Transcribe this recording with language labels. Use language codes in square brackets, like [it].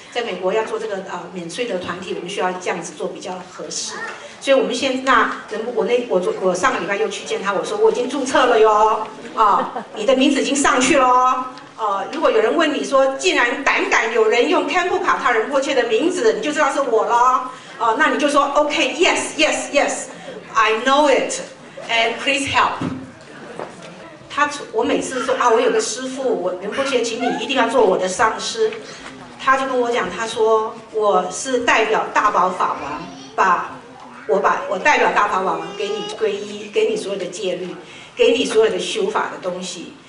[zh] 在美国要做这个免税的团体，我们需要这样子做比较合适。所以我们现在我上个礼拜又去见他，我说我已经注册了哟，你的名字已经上去了哦。如果有人问你说，既然胆敢有人用 Kampu Kata Rinpoche的名字，你就知道是我了哦。那你就说 [en] OK， yes， yes， yes， I know it， and please help。 [zh] 我每次说啊，我有个师父，我仁波切，请你一定要做我的上师。他就跟我讲，他说我是代表大宝法王，把我代表大法王给你皈依，给你所有的戒律，给你所有的修法的东西。